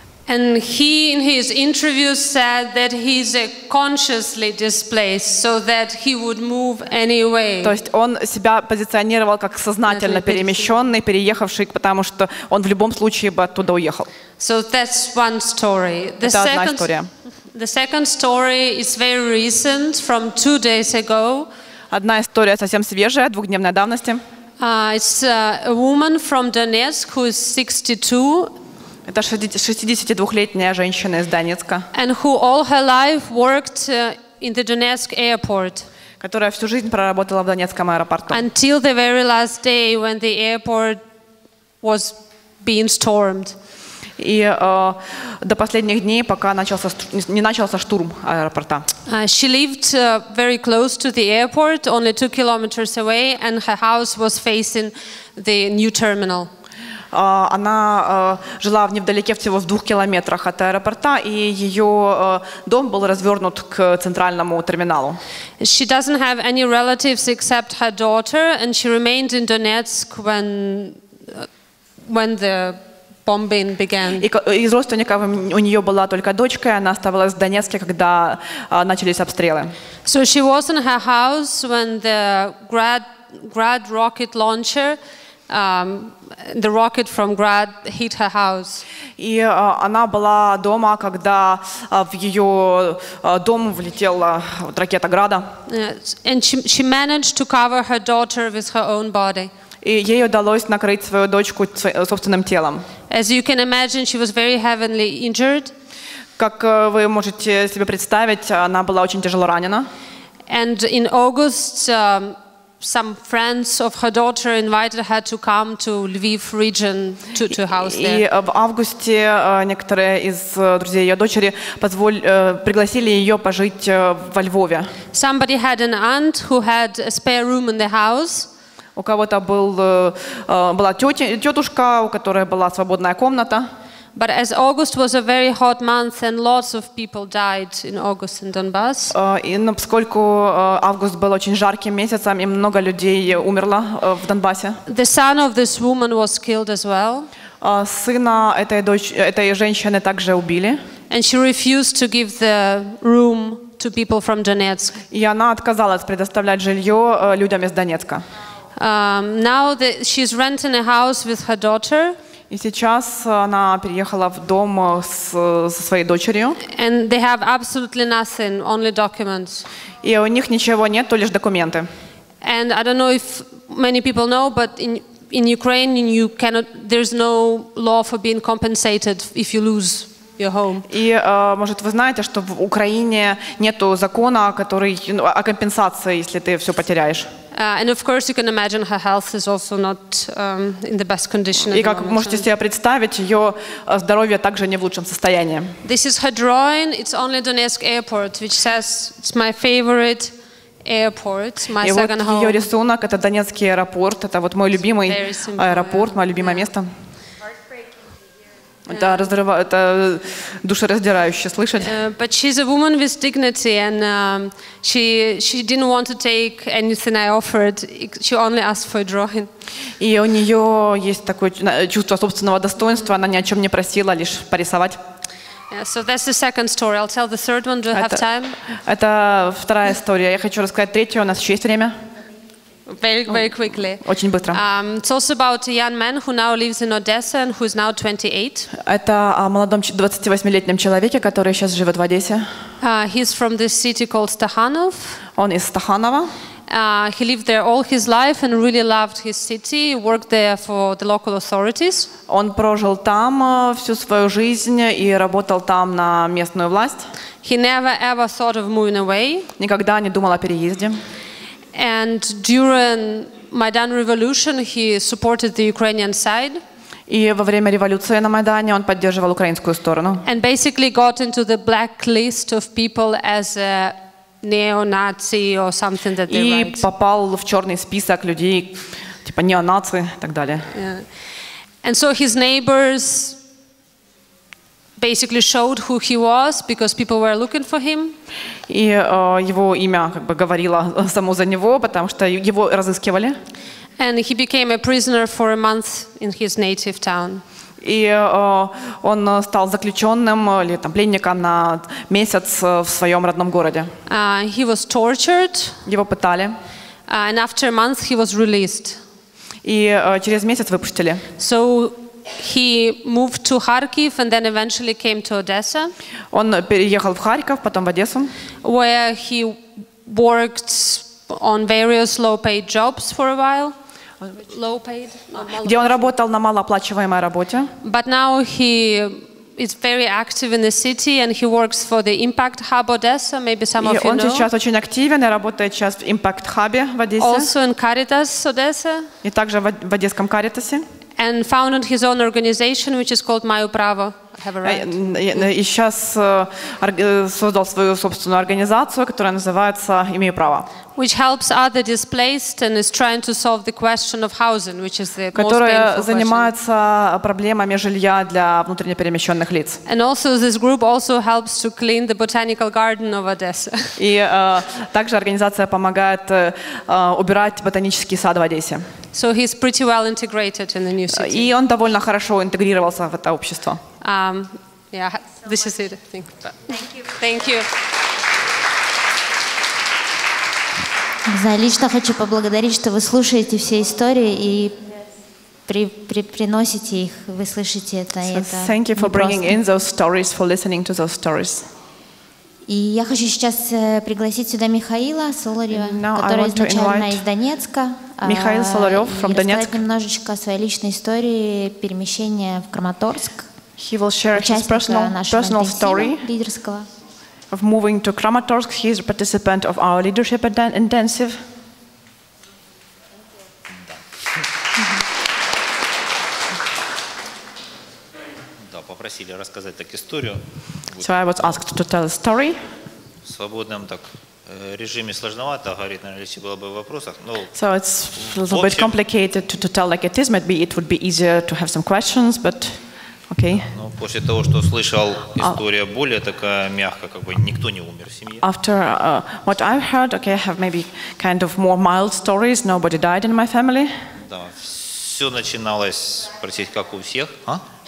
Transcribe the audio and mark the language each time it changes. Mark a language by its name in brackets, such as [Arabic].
[English] And he in his interview said that he's a consciously displaced, so that he would move anyway. [Russian] То есть он себя позиционировал как сознательно перемещенный, переехавший, потому что он в любом случае бы оттуда уехал. [English] So that's one story. [Russian] The Это second, одна история. [English] The second story is very recent, from 2 days ago. [Russian] Одна история совсем свежая, двухдневной давности. [English] It's a woman from Donetsk who is 62. [Russian] Это 62-летняя женщина из Донецка. [English] And who all her life worked in the Donetsk airport. [Russian] Которая всю жизнь проработала в Донецком аэропорту. [English] Until the very last day when the airport was being stormed. [Russian] И до последних дней, пока не начался штурм аэропорта. [English] She lived very close to the airport, only 2 kilometers away, and her house was facing the new terminal. [Russian] Она жила невдалеке, всего в 2 километрах от аэропорта, и ее дом был развернут к центральному терминалу. [English] She doesn't have any relatives except her daughter, and she remained in Donetsk when the bombing began. [Russian] Из родственников у нее была только дочка, и она оставалась в Донецке, когда начались обстрелы. [English] So she was in her house when the Grad rocket launcher the rocket from Grad hit her house. [Russian] И она была дома, когда в ее дом влетела ракета Града. [English] And she managed to cover her daughter with her own body. [Russian] И ей удалось накрыть свою дочку собственным телом. [English] As you can imagine, she was very heavily injured. [Russian] Как вы можете себе представить, она была очень тяжело ранена. [English] And in August, some friends of her daughter invited her to come to Lviv region to house there. [Russian] И в августе некоторые из друзей ее дочери пригласили ее пожить во Львове. [English] Somebody had an aunt who had a spare room in the house. [Russian] У кого-то была тетушка, у которой была свободная комната. [English] But as August was a very hot month and lots of people died in August in Donbass. [Russian] Поскольку август был очень жарким месяцем, и много людей умерло в Донбассе. [English] The son of this woman was killed as well. [Russian] Сына этой женщины также убили. [English] And she refused to give the room to people from Donetsk. [Russian] И она отказалась предоставлять жилье людям из Донецка. [English] Now she's renting a house with her daughter. [Russian] И сейчас она переехала в дом со своей дочерью. [English] And they have absolutely nothing, only documents. [Russian] И у них ничего нет, то лишь документы. [English] And I don't know if many people know, but in Ukraine you cannot, there's no law for being compensated if you lose your home. [Russian] И может вы знаете, что в Украине нету закона, о компенсации, если ты все потеряешь. [English] And of course, you can imagine her health is also not in the best condition. [Russian] И как можете себе представить, ее здоровье также не в лучшем состоянии. [English] This is her drawing. It's only Donetsk Airport, which says it's my favorite airport, my second home. [Russian] И вот ее рисунок — это Донецкий аэропорт. Это вот мой любимый аэропорт, мое любимое место. Да, это душераздирающе слышать. [English] But she's a woman with dignity, and she didn't want to take anything I offered. She only asked for a drawing. [Russian] И у нее есть такое чувство собственного достоинства. Она ни о чем не просила, лишь порисовать. [English] Yeah, so that's the second story. I'll tell the third one. Do you have time? [Russian] Это вторая история. Я хочу рассказать третью. У нас еще есть время. [English] Very quickly. [Russian] Очень быстро. [English] It's also about a young man who now lives in Odessa and who is now 28. [Russian] Это о молодом 28-летнем человеке, который сейчас живет в Одессе. [English] He's from this city called Stakhanov. [Russian] Он из Стаханова. [English] He lived there all his life and really loved his city. He worked there for the local authorities. [Russian] Он прожил там всю свою жизнь и работал там на местную власть. [English] He never ever thought of moving away. [Russian] Никогда не думал о переезде. [English] And during Maidan revolution, he supported the Ukrainian side. [Russian] И во время революции на Майдане он поддерживал украинскую сторону. [English] And basically got into the black list of people as a neo-Nazi or something that they write. [Russian] И попал в черный список людей типа неонаци и так далее. [English] And so his neighbors basically showed who he was because people were looking for him. [Ukrainian] І його ім'я [Russian] как бы говорило само за него, потому что его разыскивали. [English] And he became a prisoner for a month in his native town. [Russian] І он став заключенным или там пленником на месяц в своём родном городе. [English] He was tortured. [Russian] Його пытали. [English] And after a month he was released. [Ukrainian] І через місяць випустили. [English] So he moved to Kharkiv and then eventually came to Odessa. [Ukrainian] Он переїхав в Харків, потім в Одесу. [English] Where he worked on various low-paid jobs for a while. Low-paid. [Ukrainian] Де він працював на малооплачуваемой роботі. [English] But now he is very active in the city and he works for the Impact Hub Odessa. Maybe some of you know. [Russian] Он сейчас очень активен и работает сейчас в Impact Hub в Одессе. [English] Also in Caritas Odessa. [Russian] И также в Одесском Каритасе. [English] And founded his own organization, which is called [Russian] Мое право. [English] Have a right. [Russian] И сейчас создал свою собственную организацию, которая называется «Имею право». [English] Which helps other displaced and is trying to solve the question of housing, which is the most painful [Russian] Которая занимается проблемами жилья для внутренне перемещенных лиц. [English] And also this group also helps to clean the botanical garden of Odessa. [Russian] И также организация помогает убирать ботанический сад в Одессе. [English] So he's pretty well integrated in the new city. [Russian] И он довольно хорошо интегрировался в это общество. [English] Yeah, so this is it, I think. Thank you. [Russian] За лично хочу поблагодарить, что вы слушаете все истории и приносите их, вы слышите это. [English] Thank you for bringing in those stories, for listening to those stories. [Russian] И я хочу сейчас пригласить сюда Михаила Соларева, который изначально из Донецка. [English] Михаил Соларев from Донецк. [Russian] И рассказать немножечко о своей личной истории перемещения в Краматорск. [English] He will share his personal story. [Russian] Лидерского. [English] Of moving to Kramatorsk, he is a participant of our leadership intensive. [Russian] Да, попросили рассказать так историю. [English] So I was asked to tell a story. [Russian] В свободном так режиме сложновато говорить, наверное, если было бы в вопросах. Но [English] so it's a little bit complicated to tell like it is. Maybe it would be easier to have some questions, but. Okay. [Russian] Ну, после того, что слышал, история более такая мягкая, как бы никто не умер в семье. [English] After what I've heard, okay, I have maybe kind of more mild stories. Nobody died in my family. [Russian] Да, все начиналось, простите, как у всех, а?